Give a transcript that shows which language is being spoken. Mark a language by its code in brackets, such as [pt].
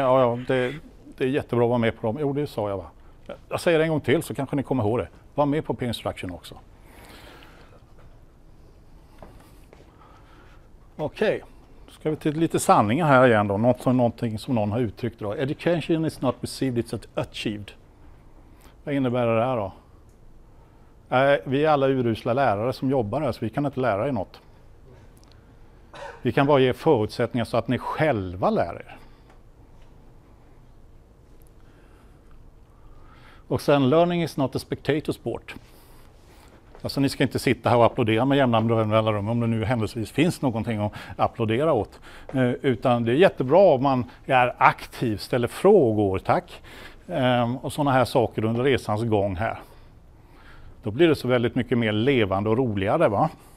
[sv] Ja, det är jättebra att vara med på dem. Jo, det sa jag, va. Jag säger det en gång till så kanske ni kommer ihåg det. Var med på peer instruction också. Okej, okay. Ska vi till lite sanningar här igen då. Någonting som någon har uttryckt då. [en] Education is not received, it's achieved. [sv] Vad innebär det här då? Vi är alla urusla lärare som jobbar här, så vi kan inte lära er något. Vi kan bara ge förutsättningar så att ni själva lär er. Och sen, [en] learning is not a spectator sport. [sv] Alltså, ni ska inte sitta här och applådera med jämna mellanrum om det nu händelsevis finns någonting att applådera åt. Utan det är jättebra om man är aktiv, ställer frågor, tack. Och sådana här saker under resans gång här. Då blir det så väldigt mycket mer levande och roligare, va?